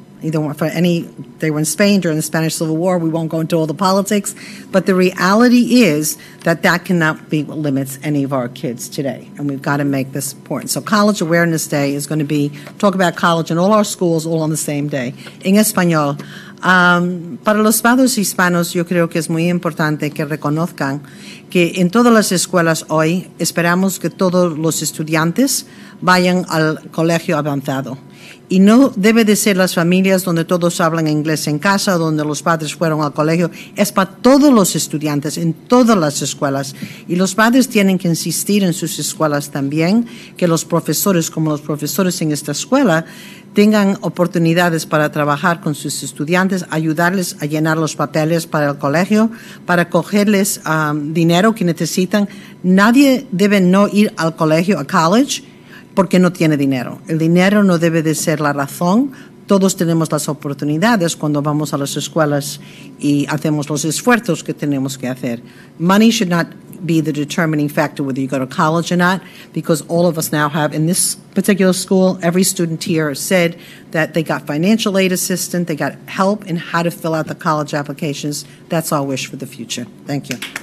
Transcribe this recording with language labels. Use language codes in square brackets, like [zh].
[en] They were in Spain during the Spanish Civil War. We won't go into all the politics. But the reality is that that cannot be what limits any of our kids today. And we've got to make this important. So College Awareness Day is going to be talk about college in all our schools all on the same day. [es] En español. Para los padres hispanos, yo creo que es muy importante que reconozcan que en todas las escuelas hoy esperamos que todos los estudiantes vayan al colegio avanzado. Y no debe de ser las familias donde todos hablan inglés en casa, donde los padres fueron al colegio. Es para todos los estudiantes en todas las escuelas. Y los padres tienen que insistir en sus escuelas también, que los profesores, como los profesores en esta escuela, tengan oportunidades para trabajar con sus estudiantes, ayudarles a llenar los papeles para el colegio, para cogerles dinero que necesitan. Nadie debe no ir al colegio, a college, porque no tiene dinero. El dinero no debe de ser la razón. Todos tenemos las oportunidades cuando vamos a las escuelas y hacemos los esfuerzos que tenemos que hacer. [en] Money should not be the determining factor whether you go to college or not, because all of us now have, in this particular school, every student here said that they got financial aid assistance, they got help in how to fill out the college applications. That's our wish for the future. Thank you.